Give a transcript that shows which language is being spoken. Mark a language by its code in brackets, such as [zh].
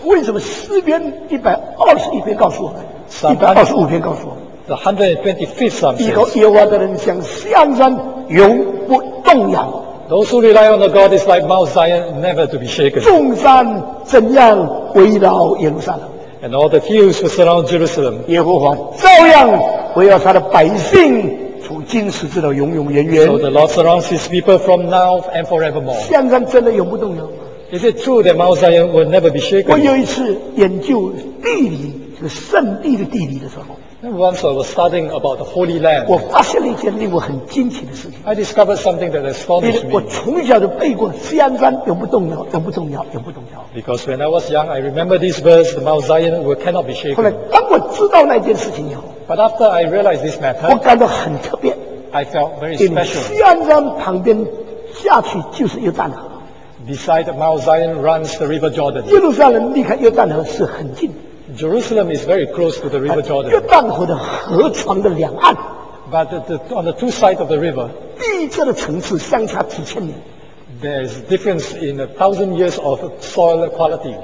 [zh] 为什么诗篇 125篇告诉我们, 125篇告诉我, [en] those who rely on the God is like Mount Zion, never to be shaken. [zh] 众山怎样围绕耶路撒冷, [en] and all the hills will surround Jerusalem. [zh] 耶和华照样围绕他的百姓,从今时至到永永远远。 [en] So the Lord surrounds His people from now and forevermore. [zh] 香山真的永不动摇, [en] is it true that Mount Zion will never be shaken? [zh] 我有一次研究地理, 这个圣地的地理的时候, [en] once I was studying about the Holy Land, [zh] 我发现了一件令我很惊奇的事情, [en] I discovered something that astonished me. [zh] 我从小就背过西安山永不动摇, [en] because when I was young, I remember this verse, the Mount Zion cannot be shaken. [zh] 后来当我知道那件事情以后, [en] but after I realized this matter, [zh] 我感到很特别, [en] I felt very special. [zh] 西安山旁边下去就是约旦河, [en] beside Mount Zion runs the River Jordan. [zh] 耶路撒冷离开约旦河是很近, [en] Jerusalem is very close to the River Jordan. [zh] 约旦河的河床的两岸, [en] but on the two sides of the river, [zh] 地质的层次相差几千年, [en] there is a difference in 1,000 years of soil quality.